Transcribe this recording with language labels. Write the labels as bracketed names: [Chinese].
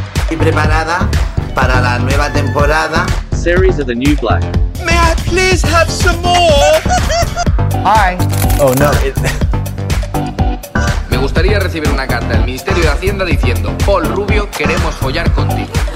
[Spanish] ¿Y preparada para la nueva temporada? [English] Series of the New Black. May I please have some more? Hi. Oh, no. [Spanish] Me gustaría recibir una carta del Ministerio de Hacienda diciendo: Paul Rubio, queremos follar contigo.